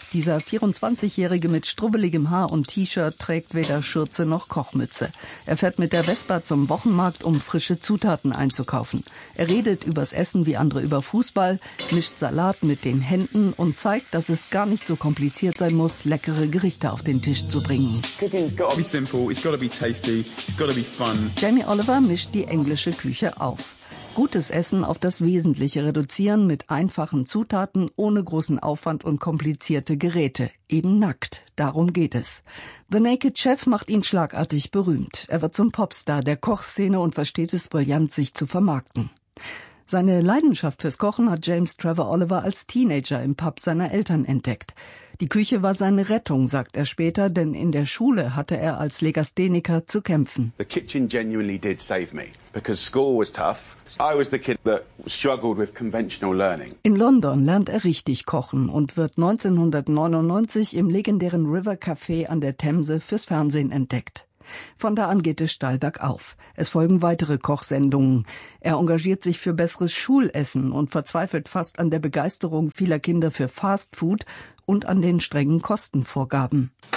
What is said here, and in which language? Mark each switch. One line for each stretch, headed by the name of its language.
German: Dieser 24-Jährige mit strubbeligem Haar und T-Shirt trägt weder Schürze noch Kochmütze. Er fährt mit der Vespa zum Wochenmarkt, um frische Zutaten einzukaufen. Er redet übers Essen wie andere über Fußball, mischt Salat mit den Händen und zeigt, dass es gar nicht so kompliziert sein muss, leckere Gerichte auf den Tisch zu bringen.
English: Cooking's gotta be simple, it's gotta be tasty, it's gotta be fun.
German: Jamie Oliver mischt die englische Küche auf. Gutes Essen auf das Wesentliche reduzieren mit einfachen Zutaten, ohne großen Aufwand und komplizierte Geräte. Eben nackt. Darum geht es. The Naked Chef macht ihn schlagartig berühmt. Er wird zum Popstar der Kochszene und versteht es brillant, sich zu vermarkten. Seine Leidenschaft fürs Kochen hat James Trevor Oliver als Teenager im Pub seiner Eltern entdeckt. Die Küche war seine Rettung, sagt er später, denn in der Schule hatte er als Legastheniker zu kämpfen.
English: The kitchen genuinely did save me, because school was tough. I was the kid that struggled with conventional learning.
German: In London lernt er richtig kochen und wird 1999 im legendären River Café an der Themse fürs Fernsehen entdeckt. Von da an geht es steil bergauf. Es folgen weitere Kochsendungen. Er engagiert sich für besseres Schulessen und verzweifelt fast an der Begeisterung vieler Kinder für Fastfood und an den strengen Kostenvorgaben.